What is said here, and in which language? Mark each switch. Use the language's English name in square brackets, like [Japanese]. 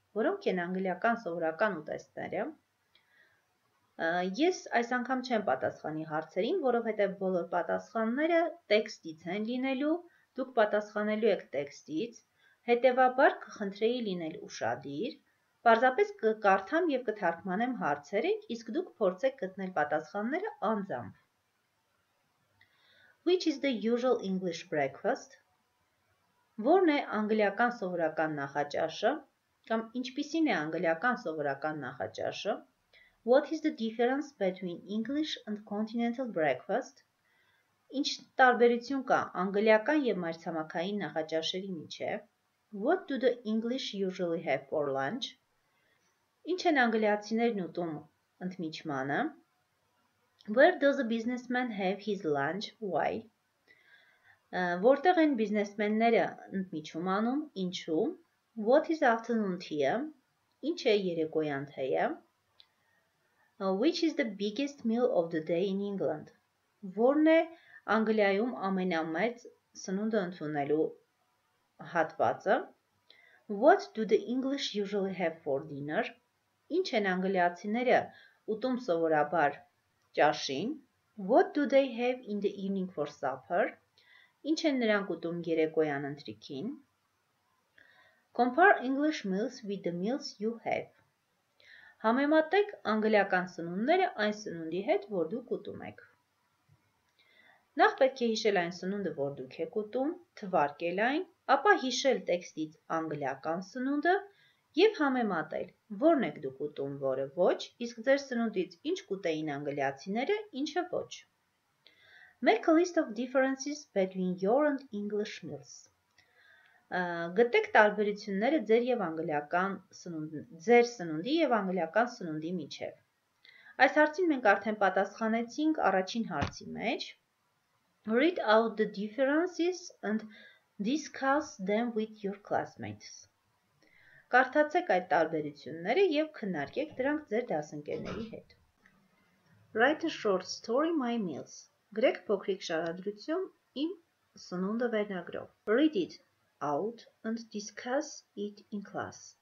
[Armenian] Որոնք են անգլիական սովորական ուտեստները? Ես այս անգամ չեմ պատասխանի հարցերին, որովհետև բոլոր պատասխանները տեքստից են լինելու, դուք պատասխանելու եք տեքստից, հետևաբար կխնդրեի լինել ուշադիր, պարզապես կկարդամ և կթարգմանեմ հարցերը, իսկ դուք փորձեք գտնել պատասխանները անձամբ. [English] Which is the usual English breakfast? [Armenian] Որն է անգլիական սովորական նախաճաշը, կամ ինչպիսին է անգլիական սովորական նախաճաշը? [English] What is the difference between English and continental breakfast? [Armenian] Ինչ տարբերություն կա անգլիական և մայրցամաքային նախաճաշերի միջև? [English] What do the English usually have for lunch? [Armenian] Ինչ են անգլիացիներն ուտում ընդմիջմանը? [English] Where does a businessman have his lunch? Why? [Armenian] Որտեղ են բիզնեսմենները ընդմիջում անում, ինչու? [English] What is afternoon tea? [Armenian] Ինչ է երեկոյան թեյը? [English] Which is the biggest meal of the day in England? [Armenian] Որն է անգլիայում ամենամեծ սնունդը ընդունելու հատվածը? [English] What do the English usually have for dinner? [Armenian] Ինչ են անգլիացիները ուտում սովորաբար ճաշին? [English] What do they have in the evening for supper? [Armenian] Ինչ են նրանք ուտում երեկոյան ընթրիքին? [English] Compare English meals with the meals you have. [Armenian] Համեմատեք անգլիական սնունդները այն սնունդի հետ, որ դուք ուտում եք. Նախ պետք է հիշել այն սնունդը, որ դուք եք ուտում, թվարկել այն, ապա հիշել տեքստից անգլիական սնունդը և համեմատել, որն եք դուք ուտում, որը ոչ, իսկ ձեր սնունդից ինչ կուտեին անգլիացիները, ինչը ոչ. [English] Make a list of differences between your and English meals. [Armenian] Գտեք տարբերությունները ձեր սնունդի և անգլիական սնունդի միջև։ Այս հարցին մենք արդեն պատասխանեցինք առաջին հարցի մեջ. [English] Read out the differences and discuss them with your classmates. [Armenian] Կարդացեք այդ տարբերությունները և քննարկեք դրանք ձեր դասընկերների հետ։ [English] Write a short story, my meals. [Armenian] Գրեք փոքրիկ շարադրություն իմ սնունդը վերնագրով։ [English] Read it out and discuss it in class.